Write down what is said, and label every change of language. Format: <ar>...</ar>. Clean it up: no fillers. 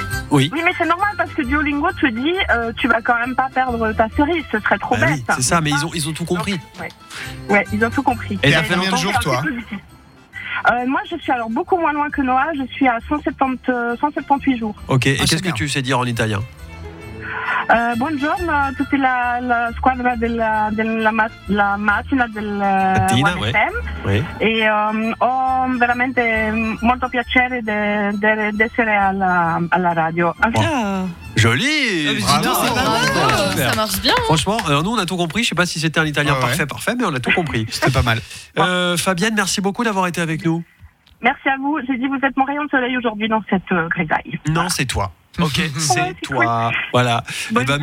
<fr>Oui, mais c'est normal parce que Duolingo te dit tu vas quand même pas perdre ta série, ce serait trop bête. Oui, c'est ça, mais ils ont tout compris. Donc, ouais. Ils ont tout compris. Et ça fait combien de jours, toi? Moi, je suis alors beaucoup moins loin que Noah, je suis à 178 jours. Ok, et qu'est-ce que tu sais dire en italien?</fr> <it>Buongiorno, tutta la squadra della macchina della FM. E ho veramente molto piacere di essere alla radio.</it> <fr>Joli! Ça marche bien! Franchement, nous on a tout compris. Je sais pas si c'était un italien parfait, mais on a tout compris. C'était pas mal. Fabienne, merci beaucoup d'avoir été avec nous. Merci à vous. J'ai dit, vous êtes mon rayon de soleil aujourd'hui dans cette grisaille. Non, c'est toi. Ok, c'est toi. Voilà. Bonne</fr>